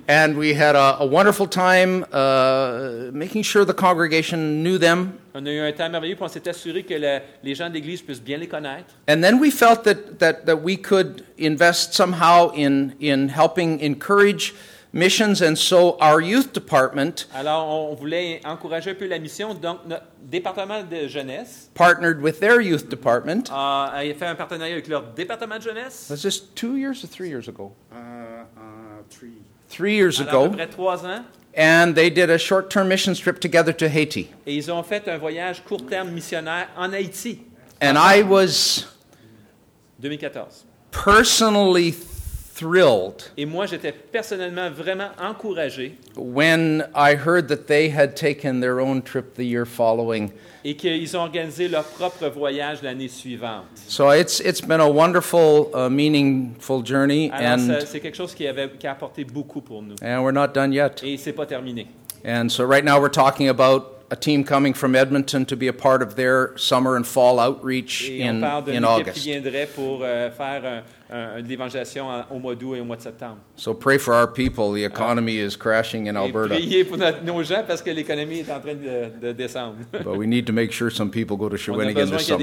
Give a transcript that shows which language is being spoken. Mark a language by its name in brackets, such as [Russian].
[English] And we had a wonderful time making sure the congregation knew them. [French] On a eu un temps merveilleux, puis on s'est assuré que les gens d'église puissent bien les connaître. [English] And then we felt that we could invest somehow in helping encourage missions, and so our youth department. [French] Alors, on voulait encourager un peu la mission, donc notre département de jeunesse. [English] Partnered with their youth department. [French] A fait un partenariat avec leur département de jeunesse. [English] Was this 2 years or 3 years ago? Three. 3 years [French] alors, À peu près 3 ans. [English] And they did a short-term mission trip together to Haiti. [French] Et ils ont fait un voyage court terme missionnaire en Haïti. [English] And I was. 2014. Personally. Thrilled. [French] Et moi, j'étais personnellement vraiment encouragé. [English] When I heard that they had taken their own trip the year following. [French] Et qu'ils ont organisé leur propre voyage l'année suivante. [English] So it's been a wonderful, meaningful journey. [French] Alors, [English] and [French] c'est quelque chose qui a apporté beaucoup pour nous. [English] And we're not done yet. [French] Et c'est pas terminé. [English] And so right now we're talking about a team coming from Edmonton to be a part of their summer and fall outreach in August. [French] Qui viendrait pour faire de l'évangélisation au mois d'août et au mois de septembre. [English] So pray for our people. The economy is crashing in Alberta. [French] Priez pour nos gens parce que l'économie est en train de descendre. [English] But we need to make sure some people go to Shawinigan this summer.